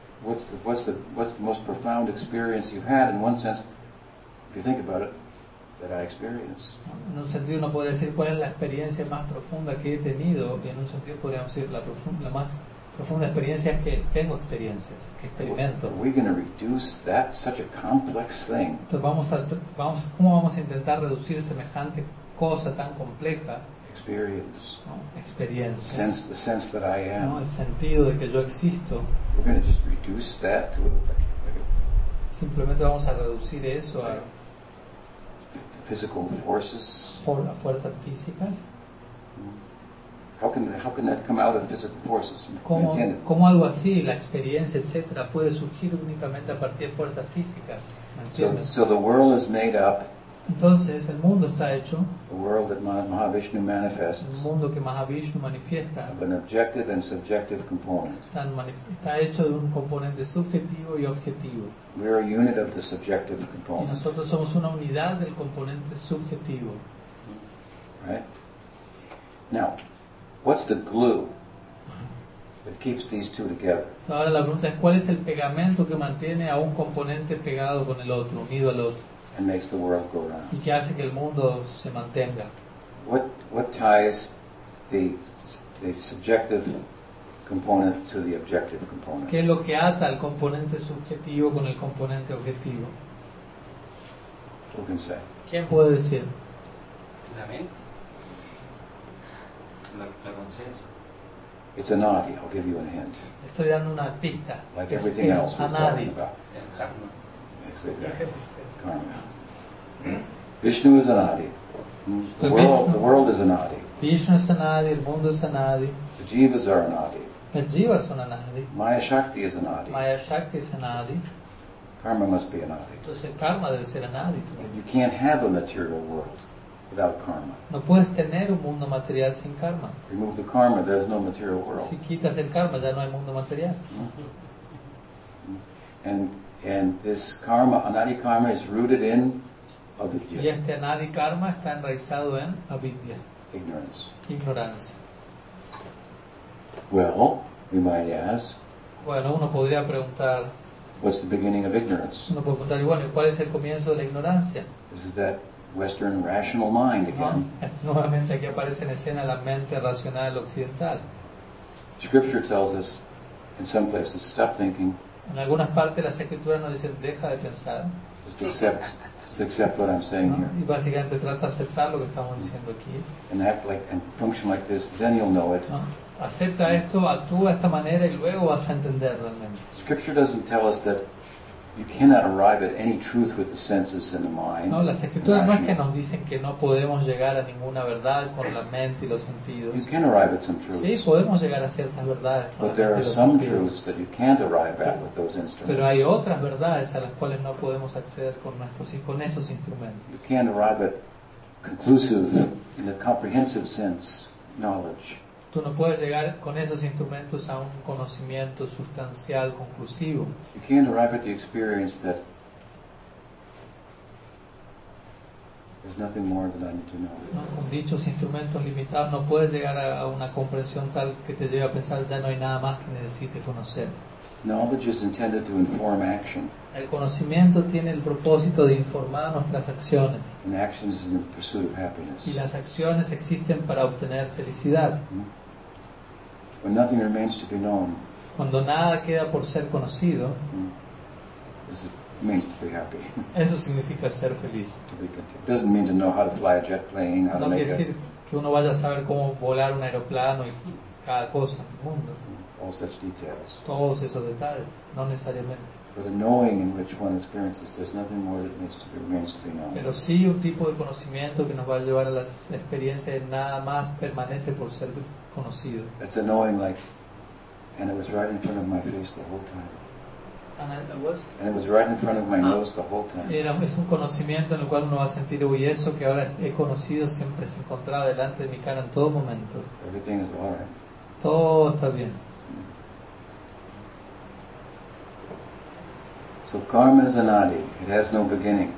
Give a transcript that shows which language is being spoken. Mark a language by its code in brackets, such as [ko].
[en] What's the most profound experience you've had in one sense, if you think about it, that I experience? [es] En un sentido uno podría decir cuál es la experiencia más profunda que he tenido, y en un sentido podríamos decir la más profunda experiencia es que tengo experiencias, que experimento. [en] Are we going to reduce that such a complex thing? [es] Entonces ¿cómo vamos a intentar reducir semejante cosa tan compleja? [en] Experience. The sense that I am. [es] No, el sentido de que yo existo. [en] We're going to just reduce that to [es] simplemente vamos a reducir eso a [en] physical forces. [es] Por las fuerzas físicas. [en] How can that come out of physical forces? [es] ¿Cómo algo así, la experiencia, etcétera, puede surgir únicamente a partir de fuerzas físicas? [en] So the world is made up. [es] Entonces el mundo está hecho. [en] The world that Mahavishnu manifests. [es] El mundo que Mahavishnu manifiesta. [en] Of an objective and subjective component. [es] Está hecho de un componente subjetivo y objetivo. [en] We are a unit of the subjective component. [es] Y nosotros somos una unidad del componente subjetivo. [en] Right. Now, what's the glue that keeps these two together? [es] Ahora la pregunta es cuál es el pegamento que mantiene a un componente pegado con el otro, unido al otro. [en] And makes the world go round. [es] Y que hace que el mundo se mantenga. [en] What ties the subjective component to the objective component? [es] ¿Qué es lo que ata al componente subjetivo con el componente objetivo? [en] Who can say? [es] ¿Quién puede decir? La mente. La conciencia. [en] It's a nadi. I'll give you a hint. [es] Estoy dando una pista. [en] Like everything [es] es [en] else we're talking about. Karma. Vishnu is anadi. The world is anadi. Vishnu is anadi, [es] el mundo es anadi. [en] The jivas are anadi. [es] Las jivas son anadi. [en] Maya Shakti is anadi. Maya Shakti is anadi. Karma must be anadi. [es] Entonces el karma debe ser anadi. [en] You can't have a material world without karma. [es] No puedes tener un mundo material sin karma. [en] Remove the karma, there is no material world. [es] Si quitas el karma, ya no hay mundo material. [en] And this karma, anadi karma, is rooted in avidya. [es] Y este anadi karma está enraizado en avidya. [en] Ignorance. [es] Ignorancia. [en] Well, we might ask. [es] Bueno, uno podría preguntar. [en] What's the beginning of ignorance? [es] Uno puede preguntar, bueno, ¿cuál es el comienzo de la ignorancia? [en] This is that Western rational mind again. [es] Nuevamente aquí aparece en escena la mente racional occidental. [en] Scripture tells us in some places, stop thinking. [es] En algunas partes las escrituras nos dicen deja de pensar. [en] Just accept what I'm saying here. [es] Y básicamente trata de aceptar lo que estamos diciendo aquí. [en] And act like and function like this, then you'll know it. [es] Acepta esto, actúa de esta manera y luego vas a entender realmente. [en] Scripture doesn't tell us that you cannot arrive at any truth with the senses and the mind. [es] No, las escrituras no es que nos dicen que no podemos llegar a ninguna verdad con la mente y los sentidos. [en] You can arrive at some truths. [es] Sí, podemos llegar a ciertas verdades con la mente. [en] But there are some truths that you can't arrive at with those instruments. [es] Pero hay otras verdades a las cuales no podemos acceder con nuestros con esos instrumentos. [en] You can't arrive at conclusive in a comprehensive sense knowledge. [es] Tú no puedes llegar con esos instrumentos a un conocimiento sustancial, conclusivo. [en] You can't arrive at the experience that there's nothing more that I need to know. [es] No, con dichos instrumentos limitados no puedes llegar a una comprensión tal que te lleve a pensar ya no hay nada más que necesite conocer. [en] Knowledge is intended to inform action. [es] El conocimiento tiene el propósito de informar nuestras acciones. [en] And action is in the pursuit of happiness. [es] Y las acciones existen para obtener felicidad. [en] Mm-hmm. When nothing remains to be known. [es] Cuando nada queda por ser conocido. [en] This means to be happy. [es] Eso significa ser feliz. [en] To be content. Doesn't mean to know how to fly a jet plane, how [es] no [en] to make [es] decir [en] a [es] que uno vaya a saber cómo volar un aeroplano y cada cosa en el mundo. [en] All such details. [es] Todos esos detalles, no necesariamente. [en] But a knowing in which one experiences, there's nothing more that needs to be, remains to be known. [es] Pero sí un tipo de conocimiento que nos va a llevar a las experiencias nada más permanece por ser conocido. [en] It's a knowing like, and it was right in front of my face the whole time. And it was right in front of my nose the whole time. [es] Era es un conocimiento en el cual uno va a sentir uy eso que ahora he conocido siempre se encontraba delante de mi cara en todo momento. [en] Everything is all right. [es] Todo está bien. [en] So karma is anadi, it has no beginning.